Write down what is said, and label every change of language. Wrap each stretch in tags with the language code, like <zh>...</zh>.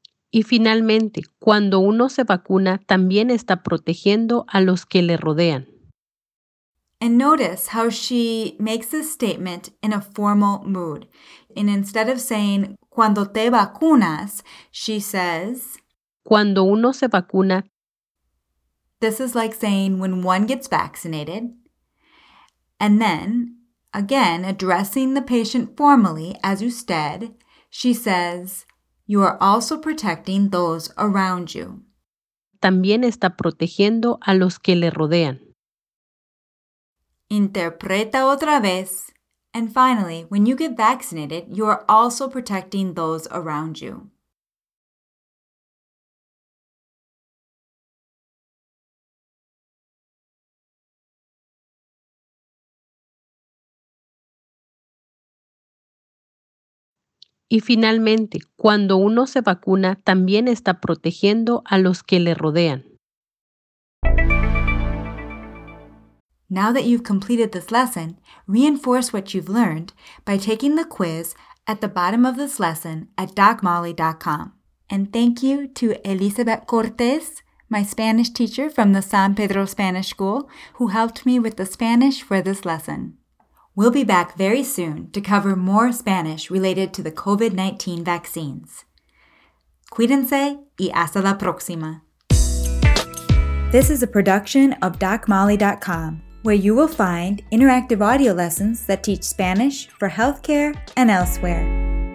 <es>Y finalmente, cuando uno se vacuna, también está protegiendo a los que le rodean.</es> <en>And notice how she makes this statement in a formal mood. And instead of saying,</en> <es>cuando te vacunas,</es> <en>she says,</en> <es>cuando uno se vacuna.</es> <en>This is like saying, when one gets vaccinated. And then, again, addressing the patient formally as usted, she says, you are also protecting those around you.</en> <es>También está protegiendo a los que le rodean. Interpreta otra vez.</es> <en>And finally, when you get vaccinated, you are also protecting those around you.</en> <es>Y finalmente, cuando uno se vacuna, también está protegiendo a los que le rodean.</es> <en>Now that you've completed this lesson, reinforce what you've learned by taking the quiz at the bottom of this lesson at DocMolly.com. And thank you to Elizabeth Cortez, my Spanish teacher from the San Pedro Spanish School, who helped me with the Spanish for this lesson. We'll be back very soon to cover more Spanish related to the COVID-19 vaccines.</en> <es>Cuídense y hasta la próxima.</es> <en>This is a production of DocMolly.com, where you will find interactive audio lessons that teach Spanish for healthcare and elsewhere.</en>